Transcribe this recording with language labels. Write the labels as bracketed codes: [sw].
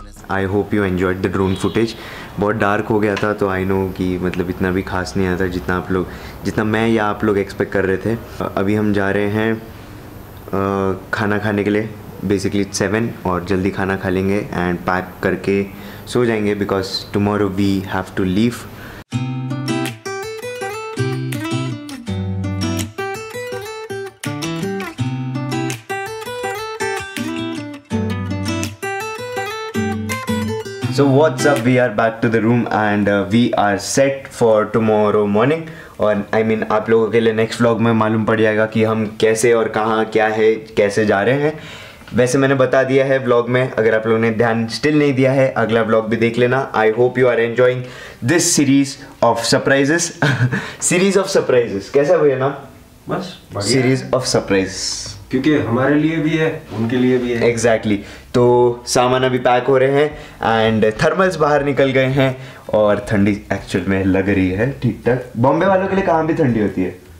[en] I hope you enjoyed the drone footage. [hi] बहुत dark हो गया था, तो [en] I know [hi] कि मतलब इतना भी खास नहीं आया था जितना आप लोग, जितना मैं या आप लोग एक्सपेक्ट कर रहे थे। अभी हम जा रहे हैं खाना खाने के लिए, बेसिकली 7, और जल्दी खाना खा लेंगे एंड पैक करके सो जाएंगे, [en] Because tomorrow we have to leave. So what's up, we are back to the room and we are set for tomorrow morning. [hi] और [en] I mean [hi] आप लोगों के लिए next vlog में मालूम पड़ जाएगा कि हम कैसे और कहाँ क्या है, कैसे जा रहे हैं। वैसे मैंने बता दिया है vlog में, अगर आप लोगों ने ध्यान still नहीं दिया है अगला vlog भी देख लेना। [en] I hope you are enjoying this series of surprises. Series of surprises, [hi] कैसा हुआ नाम? बस [en] series of surprises. [hi] क्योंकि हमारे लिए भी है, उनके लिए भी है. [en] Exactly. [hi] तो सामान अभी पैक हो रहे हैं एंड थर्मल्स बाहर निकल गए हैं और ठंडी एक्चुअल में लग रही है ठीक ठाक. बॉम्बे वालों के लिए कहाँ भी ठंडी होती है.